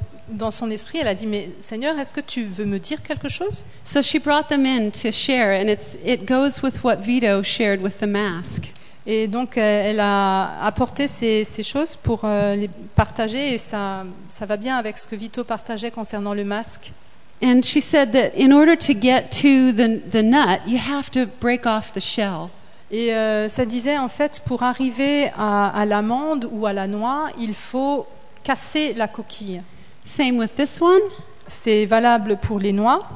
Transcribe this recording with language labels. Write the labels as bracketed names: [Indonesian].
[French] dans son esprit, elle a dit, mais Seigneur, est-ce que tu veux me dire quelque chose? [English] So she brought them in to share, and it goes with what Vito shared with the mask. [French] Et donc elle a apporté ces choses pour les partager, et ça va bien avec ce que Vito partageait concernant le masque. [English] And she said that in order to get to the nut, you have to break off the shell. [French] Et ça disait, en fait, pour arriver à l'amande ou à la noix, il faut casser la coquille. [English] Same with this one. [French] C'est valable pour les noix.